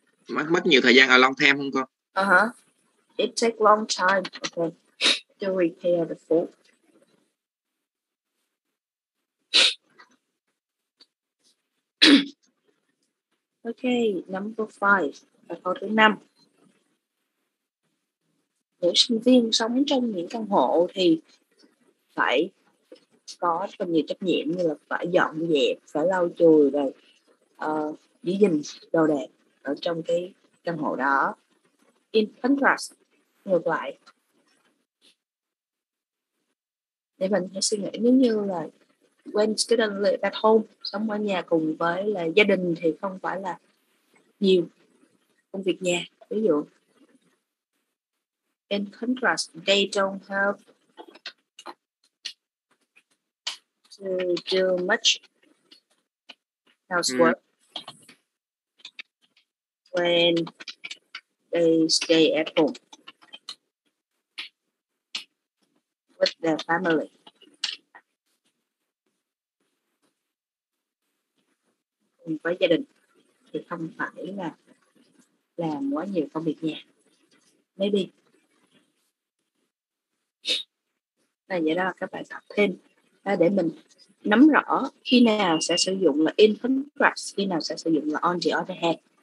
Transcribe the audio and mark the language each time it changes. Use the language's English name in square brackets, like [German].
[Vietnamese] Mất nhiều thời gian [English] a long time [Vietnamese] không con? Uh-huh. [English] It takes long time, okay, to repair the fault. Okay, number five. [Vietnamese] Và câu thứ năm. Những sinh viên sống trong những căn hộ thì phải có rất nhiều trách nhiệm như là phải dọn dẹp, phải lau chùi rồi giữ gìn đồ đạc ở trong cái căn hộ đó. [English] In contrast, [Vietnamese] ngược lại, để mình hãy suy nghĩ, nếu như là [English] when students live at home, [Vietnamese] sống ở nhà cùng với là gia đình thì không phải là nhiều công việc nhà. Ví dụ, [English] in contrast, they don't have to do much housework when they stay at home with their family. [Vietnamese] Cùng với gia đình thì không phải là làm quá nhiều công việc nhà. [English] Maybe. [Vietnamese] Này, vậy đó là các bài tập thêm. À, để mình nắm rõ khi nào sẽ sử dụng là [English] in contrast, [Vietnamese] khi nào sẽ sử dụng là [English] on the other hand.